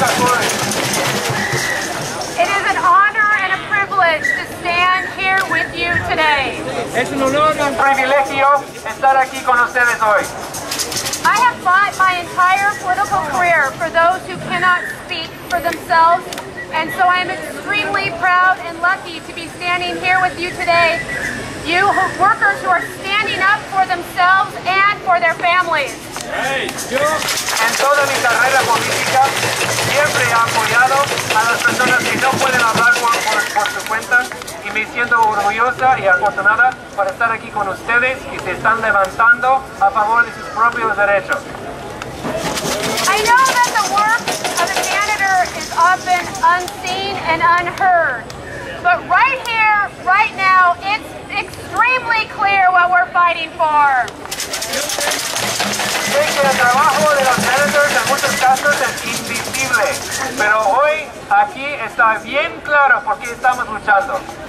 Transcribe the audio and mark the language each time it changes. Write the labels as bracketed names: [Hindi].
[English] It is an honor and a privilege to stand here with you today. [Spanish] Es un honor y un privilegio estar aquí con ustedes hoy. [English] I have fought my entire political career for those who cannot speak for themselves, and so I am extremely proud and lucky to be standing here with you today, you workers who are standing up for themselves and for their families. [Spanish] En toda mi carrera política siempre he apoyado a las personas que no pueden hablar por su cuenta y me siento orgullosa y afortunada para estar aquí con ustedes y se están levantando a favor de sus propios derechos. [English] I know that the work of a janitor is often unseen and unheard, but right here, right now, it's extremely clear what we're fighting for. [Spanish] Sé que el trabajo de los janitors en muchos casos es invisible, pero hoy aquí está bien claro por qué estamos luchando.